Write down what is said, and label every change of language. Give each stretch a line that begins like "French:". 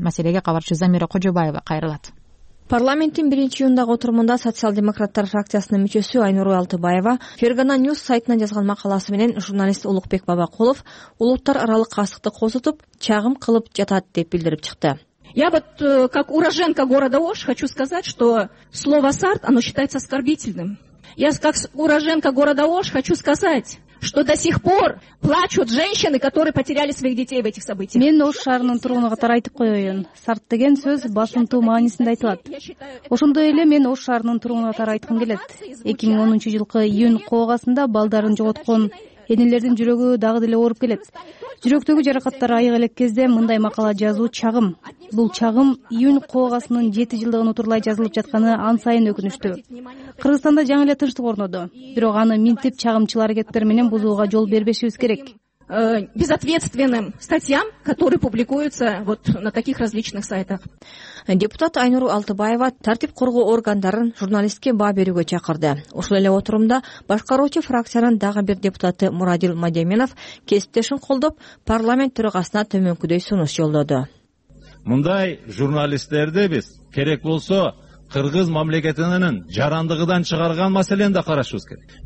Kyrgyz: Маселеге кабарчы Замира Кожобаева кайрылат. Парламенттин 1-июндагы отурумунда социал-демократтар фракциясынын мүчөсү Айнура Алтыбаева Фергана News сайтына жазган макаласы менен журналист Улукбек Бабакулов улуттар аралык кастыкты козутуп, чагым кылып жатат деп билдирип чыкты.
Russian: Я вот как уроженка города Ош хочу сказать, что слово сарт, оно считается оскорбительным. Я как уроженка города Ош хочу сказать, что до сих пор плачут женщины, которые потеряли своих детей в этих событиях.
Kyrgyz: Мен Ош шаарынын тургуну катары айтып коёюн. Сарт деген сөз басынтуу маанисинде айтылат. Ошондой эле мен Ош шаарынын тургуну катары айткым келет. 2010 жылкы июнь коогасында балдарын жоготкон энелердин жүрөгү дагы деле ооруп келет. Жүрөктөгү жаракаттар айык элек кезде мындай макала жазуу чагым. Бул чагым июнь коогасынын 7 жылдыгын утурлай жазылып жатканы ан сайын өкүнүчтүү. Кыргызстанда жаңы эле тынчтык орноду. Бирок аны минтип чагымчыл аракеттер менен бузууга жол бербешибиз керек.
Russian: Безответственным статьям, которые публикуются вот на таких различных сайтах.
Kyrgyz: Депутат Айнуру Алтыбаева тартип коргоо органдарын журналистке баа берүүгө чакырды. Ошол эле отурумда башкаруучу фракциянын дагы бир депутаты Мурадил Мадеминов кесиптешин колдоп, парламент төрагасына төмөнкүдөй сунуш жолдоду. Мындай журналисттерди биз керек болсо кыргыз мамлекетинин жарандыгынан чыгарган маселени да карашыбыз керек.